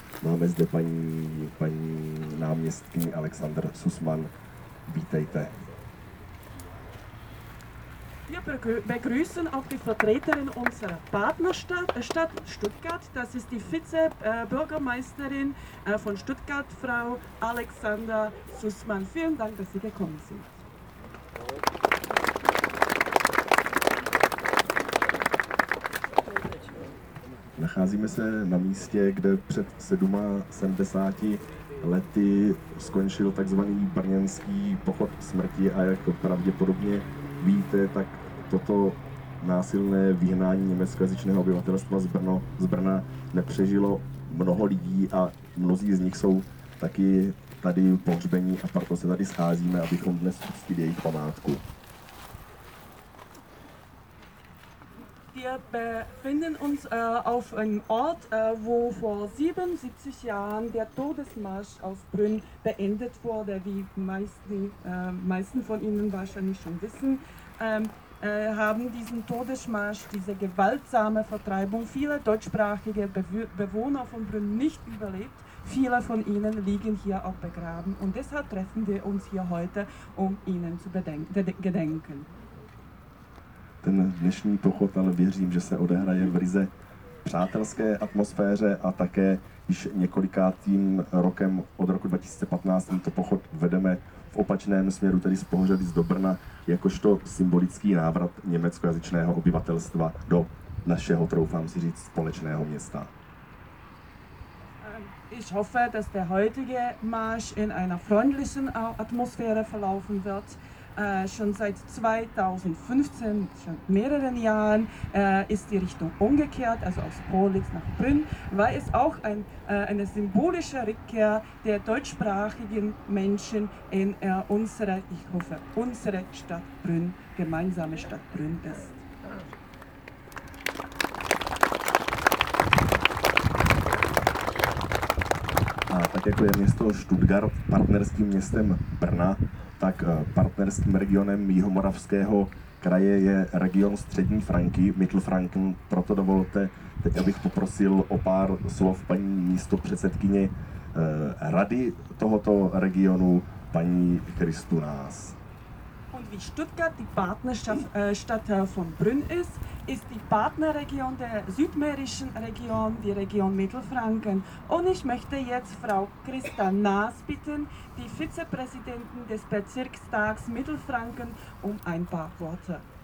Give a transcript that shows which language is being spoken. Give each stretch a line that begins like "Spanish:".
Czech: Máme zde paní náměstkyni Alexander Sussmann. Vítejte.
German: Wir begrüßen auch die Vertreterin unserer Partnerstadt Stuttgart. Das ist die Vizebürgermeisterin von Stuttgart, Frau Alexander Sussmann. Vielen Dank, dass Sie gekommen sind.
Czech: Nacházíme se na místě, kde před 70 lety skončil takzvaný brněnský pochod smrti a jak pravděpodobně víte, tak toto násilné vyhnání německojazyčného obyvatelstva z Brna nepřežilo mnoho lidí a mnozí z nich jsou taky tady pohřbení a proto se tady scházíme, abychom dnes uctili jejich památku.
German: Wir befinden uns auf einem Ort, wo vor 77 Jahren der Todesmarsch aus Brünn beendet wurde, wie die meisten von Ihnen wahrscheinlich schon wissen. Haben diesen Todesmarsch, diese gewaltsame Vertreibung vieler deutschsprachiger Bewohner von Brünn nicht überlebt. Viele von ihnen liegen hier auch begraben und deshalb treffen wir uns hier heute, um ihnen zu gedenken.
Czech: Ten dnešní pochod, ale věřím, že se odehraje v ryze přátelské atmosféře a také již několikátým rokem od roku 2015 tento pochod vedeme v opačném směru, tedy z Pohořelic do Brna, jakožto symbolický návrat německojazyčného obyvatelstva do našeho, troufám si říct, společného města.
German: Ich hoffe, dass der heutige Marsch in einer freundlichen Atmosphäre verlaufen wird. Schon seit 2015, schon mehreren Jahren, ist die Richtung umgekehrt, also aus Pohlitz nach Brünn, weil es auch eine symbolische Rückkehr der deutschsprachigen Menschen in unsere Stadt Brünn, gemeinsame Stadt Brünn ist.
Czech: A tak jako je město Stuttgart partnerským městem Brna, tak partnerským regionem Jihomoravského kraje je region Střední Franky, Mittelfranken. Proto dovolte, teď abych poprosil o pár slov paní místopředsedkyni rady tohoto regionu, paní Kristu Nás.
German: Und wie Stuttgart die Partnerstadt von Brünn ist, ist die Partnerregion der südmährischen Region, die Region Mittelfranken. Und ich möchte jetzt Frau Christa Naas bitten, die Vizepräsidentin des Bezirkstags Mittelfranken, um ein paar Worte.